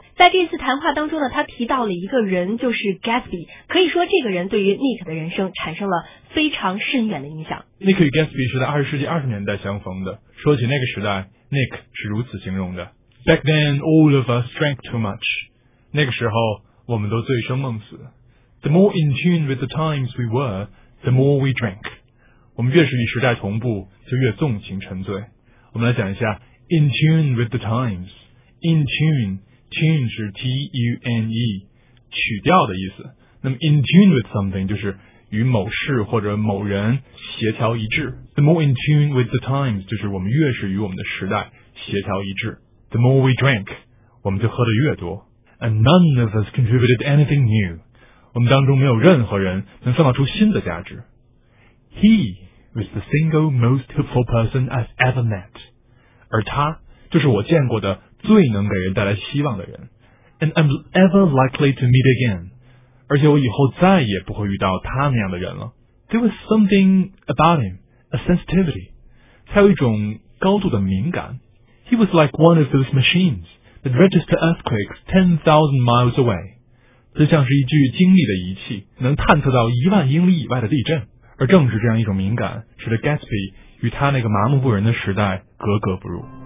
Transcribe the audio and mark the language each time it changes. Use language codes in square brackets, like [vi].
[zh] 在这次谈话当中呢，他提到了一个人，就是 Gatsby。可以说，这个人对于 Nick 的人生产生了非常深远的影响。 Nick 与 Gatsby 是在20世纪20年代相逢的。说起那个时代 ，Nick 是如此形容的 ： [en] Back then, all of us drank too much. [zh] 那个时候，我们都醉生梦死。 [en] The more in tune with the times we were, the more we drank. [zh] 我们越是与时代同步，就越纵情沉醉。我们来讲一下 [en] in tune with the times。 [zh] in tune，tune 是 T-U-N-E， 曲调的意思。那么 [en] in tune with something [zh] 就是与某事或者某人协调一致。 [en] The more in tune with the times [zh] 就是我们越是与我们的时代协调一致。 [en] The more we drank， [zh] 我们就喝得越多。 [en] And none of us contributed anything new。 [zh] 我们当中没有任何人能创造出新的价值。 [en] He was the single most hopeful person I've ever met. [zh] 而他就是我见过的最能给人带来希望的人。 [en] And I'm ever likely to meet again. [zh] 而且我以后再也不会遇到他那样的人了。 [en] There was something about him, a sensitivity. [zh] 他有一种高度的敏感。 [en] He was like one of those machines that register earthquakes 10,000 miles away. [zh] 这像是一具精密的仪器，能探测到10,000英里以外的地震。而正是这样一种敏感，使得 Gatsby 与他那个麻木不仁的时代格格不入。